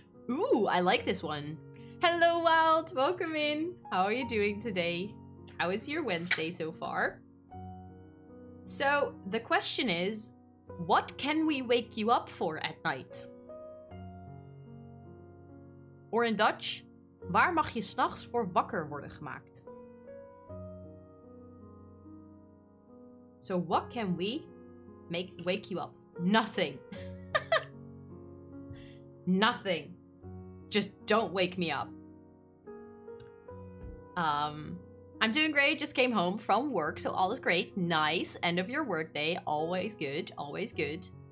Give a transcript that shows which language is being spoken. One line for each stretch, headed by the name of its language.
English: Ooh, I like this one. Hello, Wild. Welcome in. How are you doing today? How is your Wednesday so far? So, the question is, what can we wake you up for at night? Or in Dutch,
Dutch: Waar mag je 's nachts voor wakker worden gemaakt?
English: So what can we make wake you up? Nothing. Nothing. Just don't wake me up. I'm doing great. Just came home from work, so all is great. Nice. End of your work day. Always good. Always good.